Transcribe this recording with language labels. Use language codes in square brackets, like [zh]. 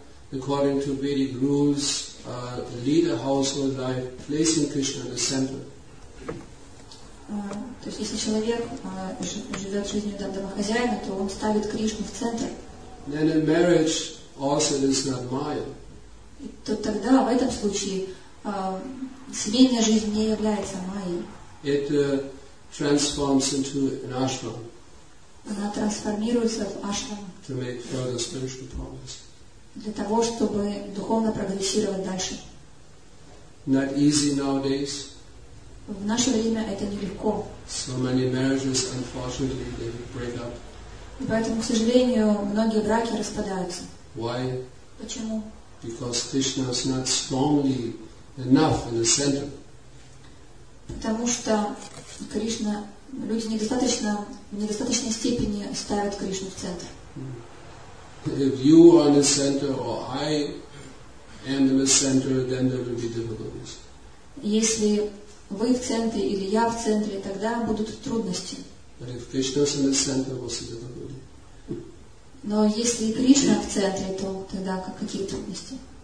[en] according to Vedic rules, lead a household life, placing Krishna in the center. [ru] То есть, если человек живет жизнью домохозяина, то он ставит Кришну в центр. [en] Then in marriage, also it is not Maya. [ru] То тогда в этом случае семейная жизнь не является Майей. [en] It transforms into an ashram. [ru] Она трансформируется в ашрам. [en] To make further spiritual progress. [ru] Для того, чтобы духовно прогрессировать дальше. [en] Not easy nowadays. [ru] В наше время это нелегко. [en] So many marriages, unfortunately, they break up. [ru] И поэтому, к сожалению, многие браки распадаются. [en] Why? [ru] Почему? [en] Because Krishna is not strongly enough in the center. [ru] Потому что Кришна, люди в недостаточной степени ставят Кришну в центр. [en] If you are in the center or I am in the center, then there will be difficulties. [ru] Если вы в центре или я в центре, тогда будут трудности. [en] But if Krishna is in the center, what's the difficulty? [ru] Но если Кришна в центре, то тогда какие трудности?